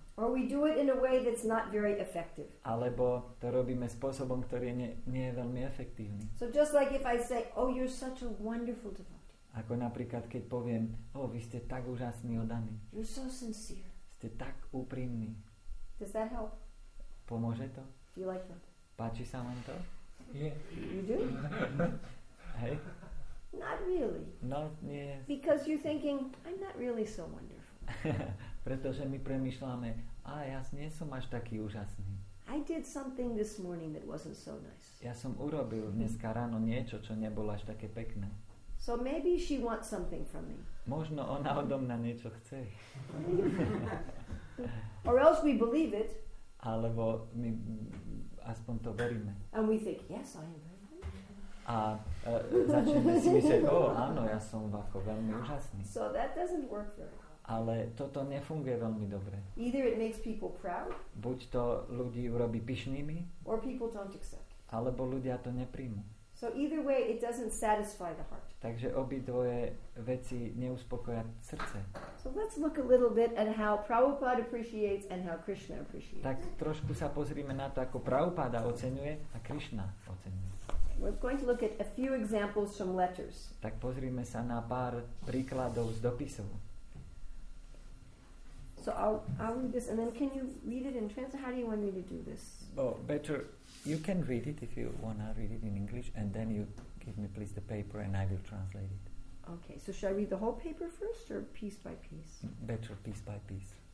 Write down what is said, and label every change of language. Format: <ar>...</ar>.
<en>Or we do it in a way that's not very effective.</en> <sk>Alebo to robíme spôsobom, ktorý nie je veľmi efektívny.</sk> <en>So just like if I say, oh, you're such a wonderful devotee.</en> <sk>Ako napríklad, keď poviem, oh, vy ste tak úžasný oddaný.</sk> <en>You're so sincere.</en> <sk>Ste tak úprimný.</sk> <en>Does that help?</en> <sk>Pomôže to?</sk> <en>Do you like that?</en> <sk>Páči sa vám to?</sk> <en>Yeah. You do? Hey? Not really.</en> <sk>No, nie.</sk> <en>Because you're thinking, I'm not really so wonderful.</en> <sk>Pretože my premýšľame, A ja nie som až taký úžasný.</sk> <en>I did something this morning that wasn't so nice.</en> <sk>Ja som urobil dneska ráno niečo, čo nebolo až také pekné.</sk> <en>So maybe she wants something from me.</en> <sk>Možno ona odo mňa niečo chce.</sk> <en>Or else we believe it.</en> <sk>Alebo my aspoň to veríme.</sk> <en>And we think, yes, I am.</en> <sk>A začneme si myslieť, oh, áno, ja som ako veľmi úžasný.</sk> <en>So that doesn't work very well.</en> <sk>Ale toto nefunguje veľmi dobre.</sk> <en>Either it makes people proud.</en> <sk>Buď to ľudí urobí pyšnými.</sk> <en>Or people don't accept.</en> <sk>Alebo ľudia to nepríjmu.</sk> <en>So either way it doesn't satisfy the heart.</en> <sk>Takže obidvoje veci neuspokoja srdce.</sk> <en>So let's look a little bit at how Prabhupada appreciates and how Krishna appreciates.</en> <sk>Tak trošku sa pozrime na to, ako Prabhupada oceňuje a Krishna oceňuje.</sk> <en>We're going to look at a few examples from letters.</en> <sk>Tak pozrime sa na pár príkladov z dopisov.</sk> <en>So I'll read this and then can you read it in translation? How do you want me to do this? Oh, better you can read it if you want to read it in English and then you give me please the paper and I will translate it. Okay, so should I read the whole paper first or piece by piece? Better piece by piece.</en>